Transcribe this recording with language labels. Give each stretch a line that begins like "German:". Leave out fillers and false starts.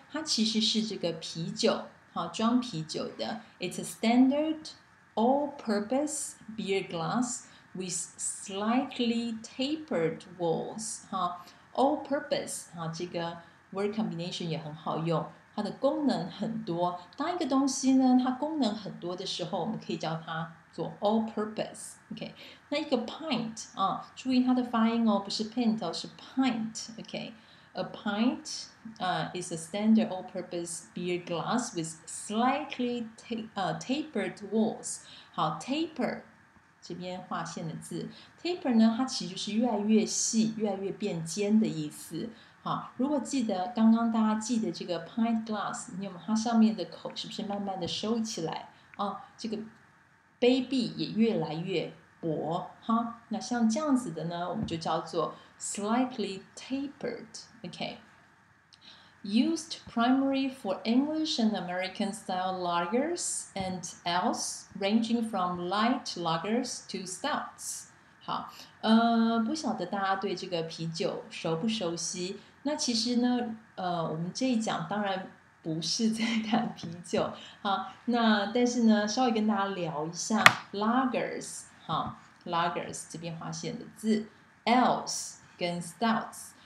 Chinese: 它其实是这个啤酒，好，装啤酒的。
English: It's a standard all-purpose beer glass with slightly tapered walls。
Chinese: All-purpose 这个
English: word combination
Chinese: 也很好用，它的功能很多。当一个东西呢它功能很多的时候，我们可以叫它做 all purpose。 OK， 那一个 pint、注意它的发音哦，不是 pint 哦，是 pint。
English: OK， a pint、is a standard all purpose beer glass with slightly tapered walls。
Chinese: 好， taper 这边划线的字， taper 呢它其实就是越来越细越来越变尖的意思。好，如果记得刚刚大家记得这个 pint glass， 你有没有它上面的口是不是慢慢的收起来、这个杯壁也越来越薄哈。那像这样子的呢我们就叫做
English: slightly tapered。 OK， used primarily for English and American style lagers and ales ranging from light lagers to stouts。
Chinese: 好，不晓得大家对这个啤酒熟不熟悉。那其实呢我们这一讲当然不是在谈啤酒。好，那但是呢，稍微跟大家聊一下 lagers， 好 ，lagers 这边划线的字 ，ales 跟 stouts。